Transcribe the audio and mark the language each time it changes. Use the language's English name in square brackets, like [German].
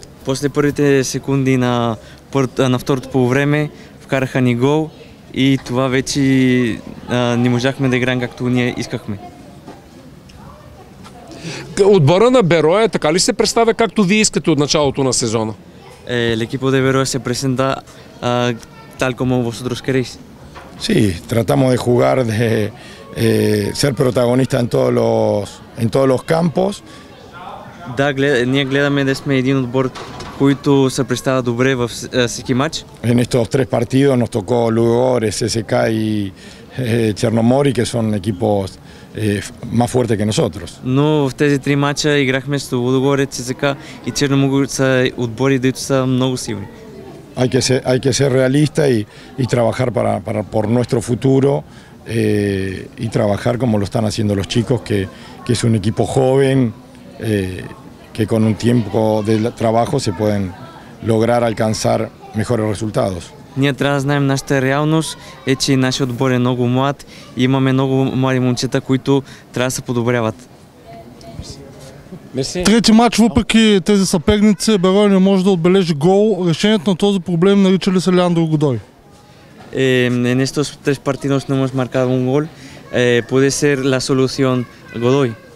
[Bulgarian] После първите секунди на второто полувреме вкараха ни гол и това вече не можахме да играем както ние искахме. Отбора на Берое така ли се представя както вие искате от началото на сезона? [Spanish] El equipo de Berое se presenta tal como vosotros queréis. Sí, tratamos de jugar, de ser protagonista en todos los campos. [Bulgarian] Да, ние гледаме да сме един отбор, който се представя добре във всеки матч. [Spanish] En estos tres partidos nos tocó Lugores, CSKA y Черномори, que son equipos más fuertes que nosotros. [Bulgarian] Но в тези три матча играхме с Лудогорец, CSKA и Черномори, са отбори, които са много силни. [Spanish] Hay que ser realista y trabajar por nuestro futuro y trabajar como lo están haciendo los chicos, que es un equipo joven, que con un tiempo de trabajo se pueden lograr alcanzar mejores resultados. [Bulgarian] Ние трябва да знаем нашата реалност, е, че нашия отбор е много млад и имаме много млади момчета, които трябва да се подобряват. Трети матч, въпреки тези съперници, Берое не може да отбележи гол. Решението на този проблем нарича ли се Леандро Годой? [Spanish] En estos tres partidos no hemos marcado un gol. ¿Puede ser la solución Godoy?